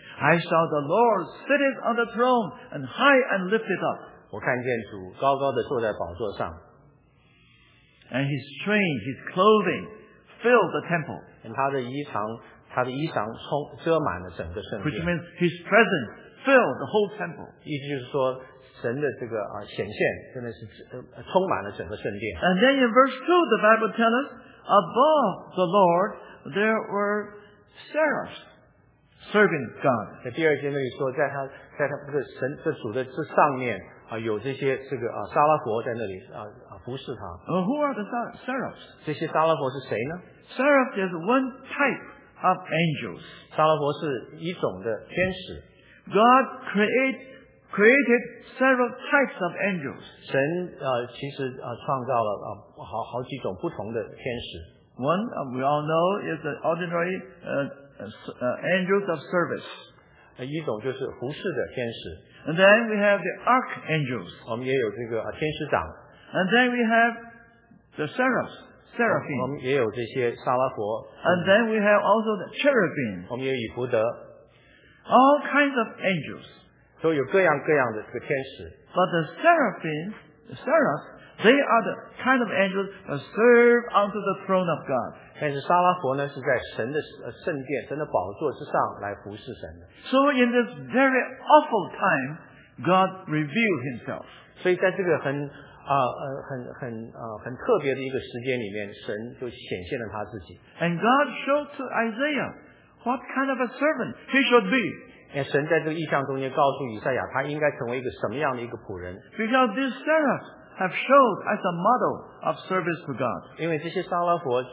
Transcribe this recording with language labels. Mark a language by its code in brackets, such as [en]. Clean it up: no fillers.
[en] I saw the Lord sitting on the throne and high and lifted up. [zh] 我看见主高高的坐在宝座上。 [en] And his train, his clothing filled the temple. [zh] 他的衣裳遮满了整个圣殿。 [en] Which means his presence filled the whole temple. [zh] 意思就是说神的这个显现真的是充满了整个圣殿。 [en] And then in verse 2, the Bible tells us, above the Lord, there were seraphs serving God. [zh] 在第二节那里说，在他这个神这主的这上面有这些这个撒拉佛在那里服侍他。 [en] Who are the seraphs? [zh] 这些撒拉佛是谁呢 [en] ？Seraph is one type of angels. [zh] 撒拉佛是一种的天使。 [en] God created several types of angels. [zh] 神其实创造了好几种不同的天使。 [en] One we all know is the ordinary angels of service. [zh] 一种就是服侍的天使。 [en] And then we have the archangels. [zh] 我们也有这个天使长。 [en] And then we have the seraphim. [zh] 我们也有这些撒拉佛。 [en] And then we have also the cherubim. [zh] 我们也有以弗德。 [en] All kinds of angels. [zh] 都有各样各样的这个天使。 [en] But the seraphim, the seraphs, They are the kind of angels that serve under the throne of God. [zh] 但是沙拉伯呢,是在神的圣殿,神的宝座之上来服侍神的。 [en] So in this very awful time, God revealed himself. [zh] 所以在这个很特别的一个时间里面,神就显现了他自己。 [en] And God showed to Isaiah what kind of a servant he should be. [zh] 神在这个意象中间告诉以赛亚,他应该成为一个什么样的一个仆人。 [en] Because this seraph have showed as a model of service to God.